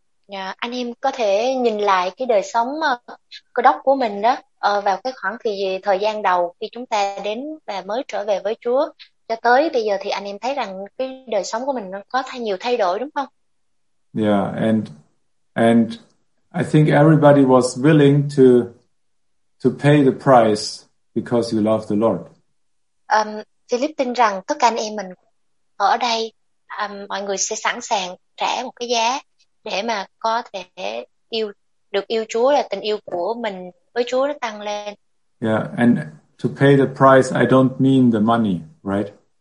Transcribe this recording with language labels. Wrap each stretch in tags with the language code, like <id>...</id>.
<vi>Yeah, anh em có thể nhìn lại cái đời sống cơ đốc của mình đó vào cái khoảng thời gian đầu khi chúng ta đến và mới trở về với Chúa cho tới bây giờ thì anh em thấy rằng cái đời sống của mình nó có nhiều thay đổi đúng không?</vi> <en>Yeah, and I think everybody was willing to pay the price because you love the Lord.</en> <vi>Philip tin rằng tất cả anh em mình ở đây mọi người sẽ sẵn sàng trả một cái giá để mà có thể được yêu Chúa, là tình yêu của mình với Chúa nó tăng lên.</vi> <en>Yeah, and to pay the price, I don't mean the money, right?</en>